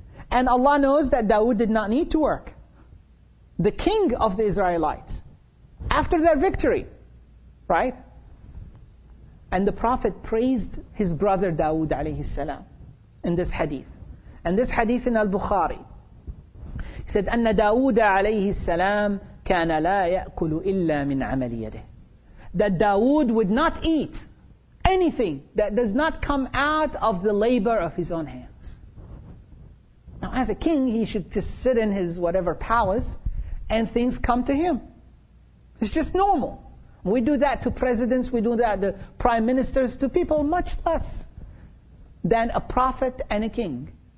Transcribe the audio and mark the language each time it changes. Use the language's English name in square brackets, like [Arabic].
[English] And Allah knows that Dawood did not need to work. The king of the Israelites, after their victory, right? And the Prophet praised his brother Dawood alayhi salam in this hadith. And this hadith in Al-Bukhari. He said, [Arabic] أن داود عليه السلام كان لا يأكل إلا من عمل يده. [English] That Dawood would not eat anything that does not come out of the labor of his own hands. Now, as a king, he should just sit in his whatever palace and things come to him. It's just normal. We do that to presidents, we do that to prime ministers, to people much less than a prophet and a king.